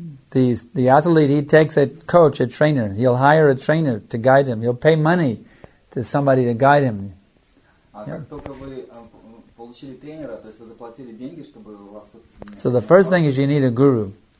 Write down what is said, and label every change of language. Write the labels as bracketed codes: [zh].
[en] The athlete, he takes a coach, a trainer. He'll hire a trainer to guide him. He'll pay money to somebody to guide him. [ru] Только вы получили тренера, то есть вы заплатили деньги, чтобы у вас... [en] So the first thing is you need a guru.